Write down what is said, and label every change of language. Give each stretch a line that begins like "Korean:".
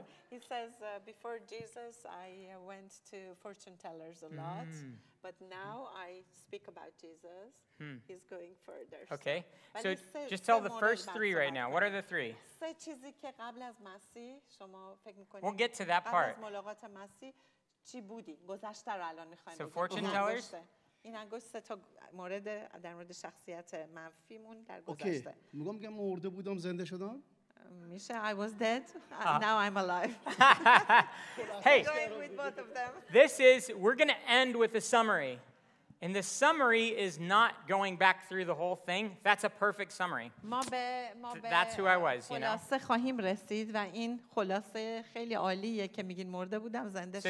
English: He says before Jesus I went to fortune tellers a lot but now I speak about Jesus he's going further Okay so just tell the first 3 right now what are the 3
Persian: سه چیزی که قبل از مسیح شما فکر میکنید
English: We'll get to that part
Persian: قبل از ملاقات مسیح چی بودی گذشته رو الان میخوایم
English: So fortune tellers
Persian: این انگشت سه تا مورد در مورد شخصیت منفی مون در گذشته میگم که مرده بودم زنده شدم
English: Misha, I was dead. Now I'm alive. Hey, with both of them. This is, we're going to end with a summary. And the summary is not going back through the whole thing. That's a perfect summary. That's who I was, you know.
Persian: خلاصه خواهیم رسید و این خلاصه خیلی عالیه که میگین مرده بودم زنده شدم.